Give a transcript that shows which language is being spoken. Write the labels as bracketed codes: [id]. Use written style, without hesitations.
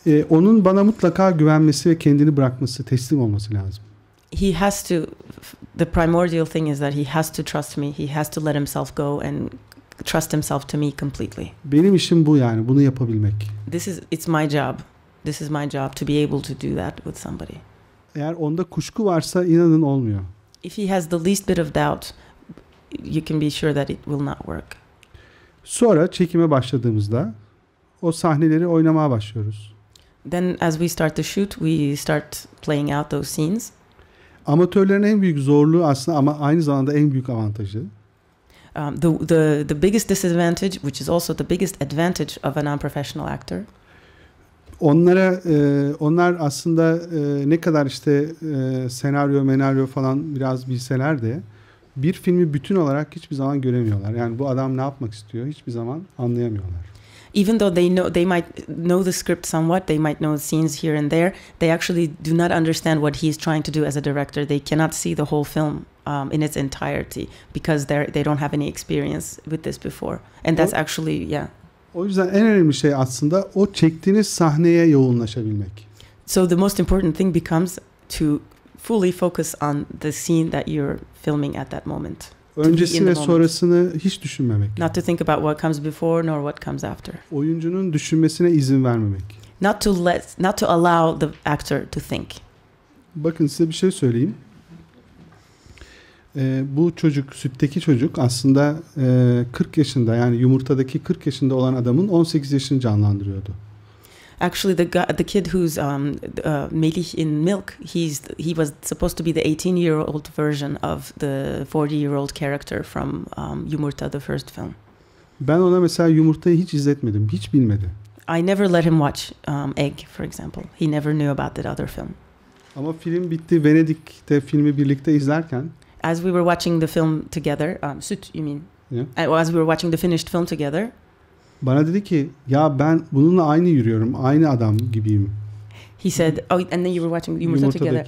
[tr] Onun bana mutlaka güvenmesi ve kendini bırakması, teslim olması lazım. [en] He has to, the primordial thing is that he has to trust me. He has to let himself go and trust himself to me completely. [tr] Benim işim bu, yani bunu yapabilmek. [en] This is my job to be able to do that with somebody. [tr] Eğer onda kuşku varsa inanın olmuyor. [en] If he has the least bit of doubt, you can be sure that it will not work. [tr] Sonra çekime başladığımızda o sahneleri oynamaya başlıyoruz. [en] Then as we start the shoot, we start playing out those scenes. [tr] Amatörlerin en büyük zorluğu aslında, ama aynı zamanda en büyük avantajı. [en] The biggest disadvantage, which is also the biggest advantage of a non-professional actor. [tr] Onlara, onlar aslında ne kadar işte senaryo falan biraz bilseler de bir filmi bütün olarak hiçbir zaman göremiyorlar. Yani bu adam ne yapmak istiyor hiçbir zaman anlayamıyorlar. [en] Even though they might know the script somewhat, they might know scenes here and there, they actually do not understand what he's trying to do as a director. They cannot see the whole film in its entirety because they don't have any experience with this before. And that's actually, yeah. [tr] O yüzden en önemli şey aslında o çektiğiniz sahneye yoğunlaşabilmek. [en] So the most important thing becomes to fully focus on the scene that you're filming at that moment. [tr] Öncesini ve sonrasını hiç düşünmemek. [en] Not to think about what comes before nor what comes after. [tr] Oyuncunun düşünmesine izin vermemek. [en] Not to allow the actor to think. [tr] Bakın size bir şey söyleyeyim. Bu çocuk, sütteki çocuk aslında 40 yaşında, yani yumurtadaki 40 yaşında olan adamın 18 yaşını canlandırıyordu. [en] Actually the kid who's Melih in Milk, he was supposed to be the 18-year-old version of the 40-year-old character from Yumurta, the first film. [tr] Ben ona mesela Yumurta'yı hiç izletmedim, hiç bilmedi. [en] I never let him watch Egg, for example. He never knew about that other film. [tr] Ama film bitti, Venedik'te filmi birlikte izlerken, [en] as we were watching the film together, Süt, you mean? Yeah. As we were watching the finished film together, [tr] Bana dedi ki, ya ben bununla aynı yürüyorum, aynı adam gibiyim. [en] He said, oh, and then you were watching Yumurta together.